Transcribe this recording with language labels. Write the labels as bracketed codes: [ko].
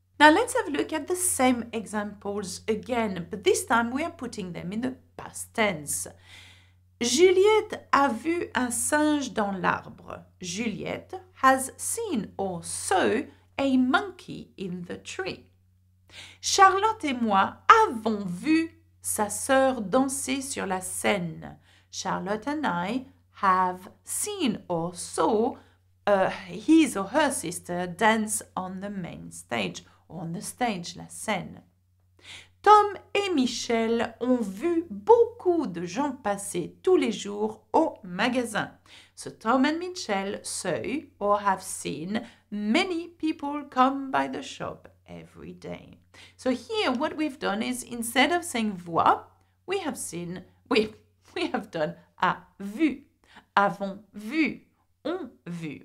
[en] Now let's have a look at the same examples again, but this time we are putting them in the past tense. [fr] Juliette a vu un singe dans l'arbre. [en] Juliette has seen or saw a monkey in the tree. [fr] Charlotte et moi avons vu sa sœur danser sur la scène. [en] Charlotte and I have seen or saw his or her sister dance on the main stage. On the stage, [fr] la scène. Tom et Michel ont vu beaucoup de gens passer tous les jours au magasin. [en] So Tom and Michel saw or have seen many people come by the shop every day. So here what we've done is instead of saying voir, we have seen, we have done [fr] a vu, avons vu, ont vu.